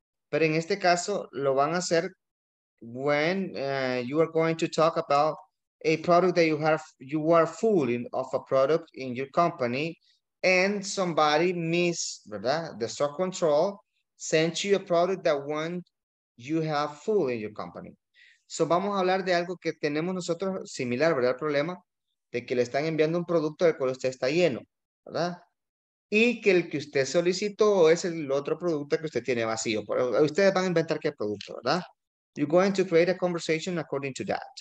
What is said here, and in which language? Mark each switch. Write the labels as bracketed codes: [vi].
[es] Pero en este caso lo van a hacer [en] when you are going to talk about a product that you have, you are full of a product in your company and somebody miss, ¿verdad? The stock control sent you a product that one you have full in your company. [es] So vamos a hablar de algo que tenemos nosotros similar, ¿verdad? El problema de que le están enviando un producto del cual usted está lleno, ¿verdad? Y que el que usted solicitó es el otro producto que usted tiene vacío. Ustedes van a inventar qué producto, ¿verdad? [en] You're going to create a conversation according to that.